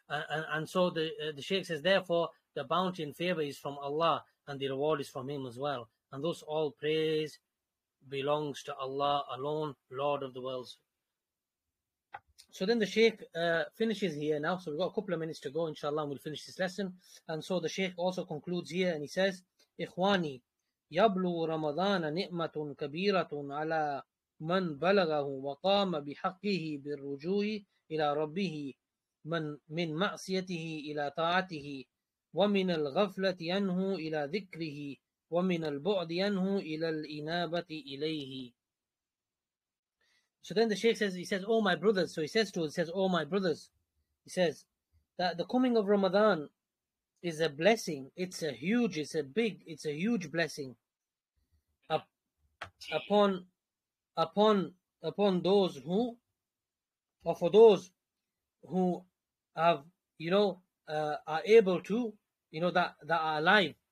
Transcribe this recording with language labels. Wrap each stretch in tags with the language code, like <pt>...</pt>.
<en>And so the Shaykh says, therefore, the bounty and favor is from Allah and the reward is from Him as well. And thus all praise belongs to Allah alone, Lord of the worlds. So then the Shaykh finishes here now. So we've got a couple of minutes to go, inshallah, and we'll finish this lesson. And so the Shaykh also concludes here and he says,</en> <ar>إخواني يبلغ رمضان نعمة كبيرة على من بلغه وقام بحقه بالرجوع إلى ربه من معصيته إلى طاعته ومن الغفلة عنه إلى ذكره ومن البعد عنه إلى الإنابة إليه.</ar> <en>So then the Shaykh says, he says, oh my brothers, so he says to us, he says, oh my brothers, he says, that the coming of Ramadan is a blessing. It's a huge blessing upon those who, or for those who have, you know, are able to, you know, that are alive.</en>